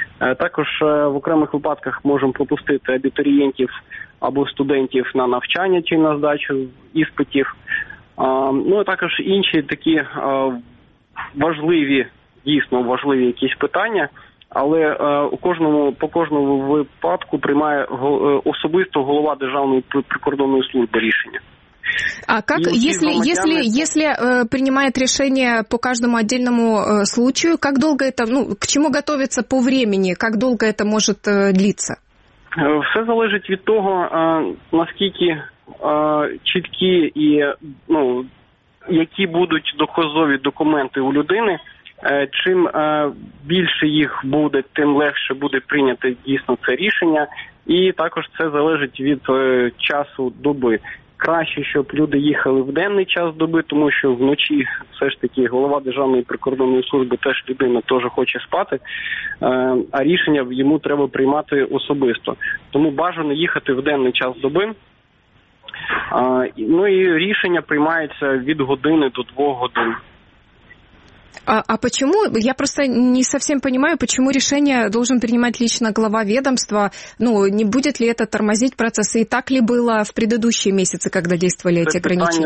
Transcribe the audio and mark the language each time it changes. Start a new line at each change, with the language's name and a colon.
Ukrainian: Також в окремих випадках можемо пропустити абітурієнтів або студентів на навчання чи на здачу іспитів. Ну, а також інші такі важливі, дійсно важливі якісь питання, але по кожному випадку приймає особисто голова Державної прикордонної служби рішення.
Russian: А как, если принимает решение по каждому отдельному случаю, как долго это, ну, к чему готовится по времени, как долго это может длиться?
Ukrainian: Все залежить від того, наскільки чіткі і, ну, які будуть доказові документи у людини. Чим більше їх буде, тим легше буде прийняти дійсно це рішення. І також це залежить від часу доби. Краще, щоб люди їхали в денний час доби, тому що вночі все ж таки голова Державної прикордонної служби теж людина теж хоче спати, а рішення йому треба приймати особисто. Тому бажано їхати в денний час доби. Ну і рішення приймається від години до двох годин.
Russian: А почему? Я просто не совсем понимаю, почему решение должен принимать лично глава ведомства? Ну, не будет ли это тормозить процессы? И так ли было в предыдущие месяцы, когда действовали эти ограничения?